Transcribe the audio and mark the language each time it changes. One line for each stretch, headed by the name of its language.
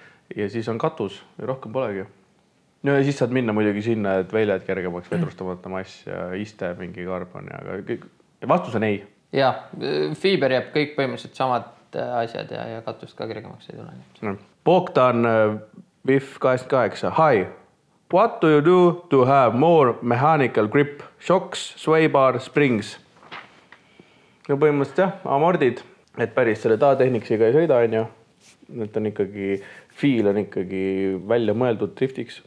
Estonian: Ja siis on katus ja rohkem polegi. No ja siis saad minna muidugi sinna, et väljad kergemaks vedrustamata mass ja iste mingi carbon. Ja kõik... Vastus on ei. Ja, fiiber jääb kõik põhimõtteliselt samad asjad ja katust ka kergemaks ei tule.
English: Bogdan VIF28. Hi! What do you do to have more mechanical grip? Shocks, sway bar, springs?
Estonian: No põhimõtteliselt jah, amordid, et päris selle taatehniksiga ei sõida, on ju. Et on ikkagi, feel on ikkagi välja mõeldud driftiks.